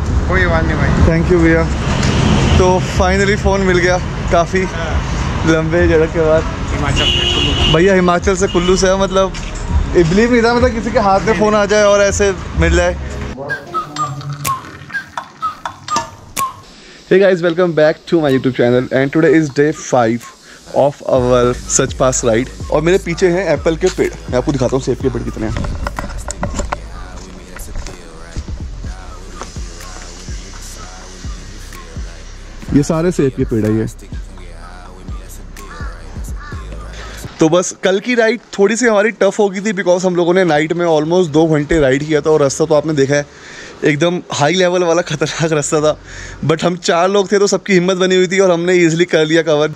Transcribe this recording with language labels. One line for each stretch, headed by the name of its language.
Hindi: कोई बात नहीं भाई, थैंक यू भैया। तो फाइनली फोन मिल गया काफी लंबे झड़क के बाद। भैया हिमाचल से कुल्लू से, मतलब बिलीव नहीं था मतलब किसी के हाथ में फोन आ जाए और ऐसे मिल जाए।
English: Hey guys, welcome back to my YouTube channel and today is day 5 of our Sachpass ride.
Hindi: और मेरे पीछे हैं एप्पल के पेड़, मैं आपको दिखाता हूँ सेब के पेड़ कितने हैं। ये सारे सेब के पेड़ हैं ये। तो बस कल की राइड थोड़ी सी हमारी टफ हो गई थी बिकॉज हम लोगों ने नाइट में ऑलमोस्ट 2 घंटे राइड किया था और रास्ता तो आपने देखा है एकदम हाई लेवल वाला खतरनाक रास्ता था, बट हम 4 लोग थे तो सबकी हिम्मत बनी हुई थी और हमने इजिली कर लिया कवर।